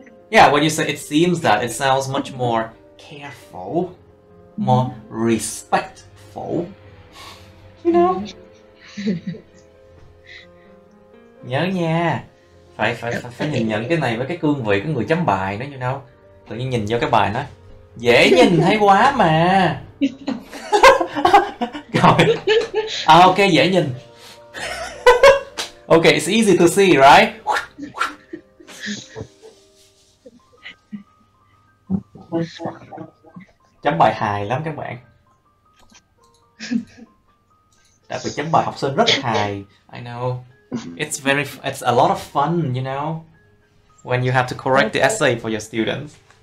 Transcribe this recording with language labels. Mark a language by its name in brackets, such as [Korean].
[English] Yeah, when you say it seems that, it sounds much more careful, more respectful, you know. [Vietnamese] Nhớ nha, phải nhìn nhận cái này với cái cương vị của người chấm bài nó, [English] you know. [Vietnamese] Tự nhiên nhìn vô cái bài nó dễ nhìn thấy quá mà. Rồi. À, ok, dễ nhìn. [English] Ok, it's easy to see, right? [Vietnamese] Chấm bài hài lắm các bạn. Đặc biệt chấm bài học sinh rất hài. [English] I know. It's a lot of fun, you know, when you have to correct the essay for your students.